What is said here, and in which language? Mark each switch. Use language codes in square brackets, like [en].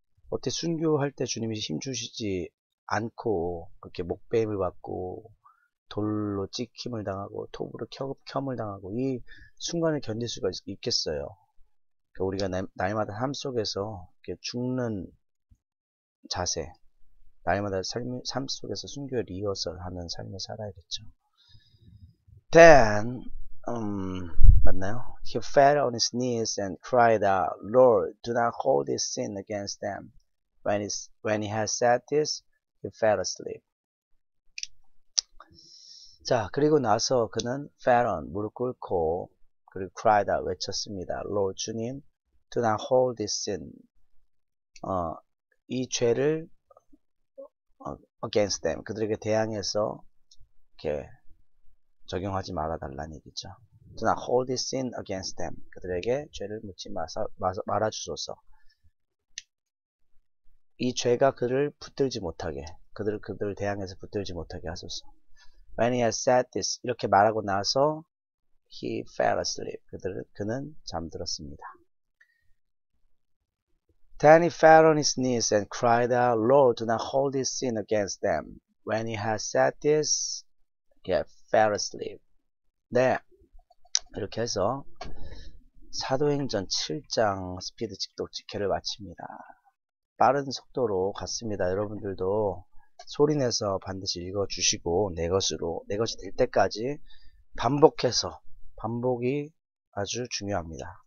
[ko] 어떻게 순교할 때 주님이 힘 주시지 않고 그렇게 목베임을 받고 돌로 찍힘을 당하고 톱으로 켬을 당하고 이 순간을 견딜 수가 있겠어요? 우리가 날마다 삶 속에서 이렇게 죽는 자세, 날마다 삶 속에서 순교의 리허설 하는 삶을 살아야겠죠. [en] Then, [ko] 맞나요? [en] He fell on his knees and cried out, Lord, do not hold this sin against them. When he had said this, he fell asleep. [ko] 자, 그리고 나서 그는 [en] fell on, [ko] 무릎 꿇고, 그리고 [en] cried out, [ko] 외쳤습니다. [en] Lord, [ko] 주님, [en] Do not hold this sin. [ko] 이 죄를 [en] against them. [ko] 그들에게 대항해서 이렇게 적용하지 말아달라는 얘기죠. [en] Do not hold this sin against them. [ko] 그들에게 죄를 묻지 말아주소서. 이 죄가 그를 붙들지 못하게. 그들을 대항해서 붙들지 못하게 하소서. [en] When he had said this. [ko] 이렇게 말하고 나서 [en] he fell asleep. [ko] 그는 잠들었습니다. [en] Then he fell on his knees and cried out, Lord, do not hold this sin against them. When he had said this, he fell asleep. [ko] 네. 이렇게 해서 사도행전 7장 스피드 직독직회를 마칩니다. 빠른 속도로 갔습니다. 여러분들도 소리내서 반드시 읽어주시고, 내 것으로, 내 것이 될 때까지 반복해서, 반복이 아주 중요합니다.